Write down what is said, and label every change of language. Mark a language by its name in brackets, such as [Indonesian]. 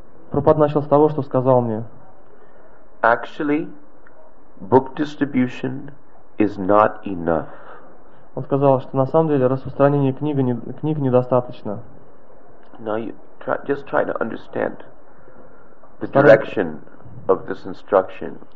[Russian] Прабхупада начал с того, что сказал мне. [English] Actually, book distribution is not enough. [Russian] Он сказал, что на самом деле распространение книг недостаточно. [English] Now you just try to understand the direction of this instruction.